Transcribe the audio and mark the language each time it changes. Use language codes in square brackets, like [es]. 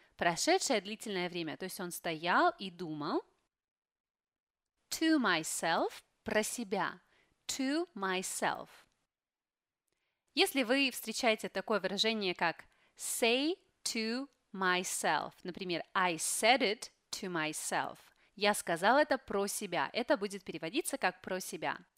[ru] Прошедшее длительное время. То есть он стоял и думал. To myself. Про себя. [en] To myself. [ru] Если вы встречаете такое выражение, как say to myself. Например, [en] I said it to myself. [ru] Я сказал это про себя. Это будет переводиться как про себя.